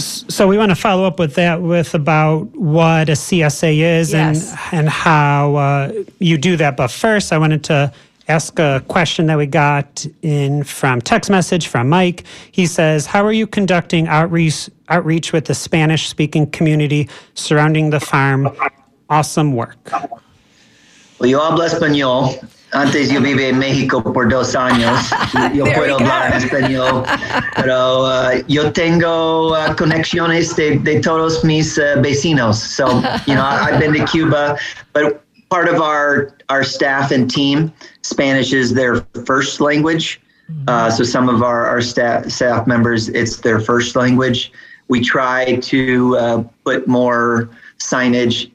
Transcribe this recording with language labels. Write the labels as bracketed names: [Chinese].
[English] So we want to follow up with that with about what a CSA is and how you do that. But first, I wanted to ask a question that we got in from text message from Mike. He says, how are you conducting outreach with the Spanish-speaking community surrounding the farm? Awesome work. [Spanish] Well, yo hablo español. Antes yo vivía en México por dos años. Yo puedo hablar español, pero yo tengo conexiones de todos mis vecinos. [English] So, I've been to Cuba, but part of our staff and team, Spanish is their first language. So some of our staff members, it's their first language. We try to put more signage.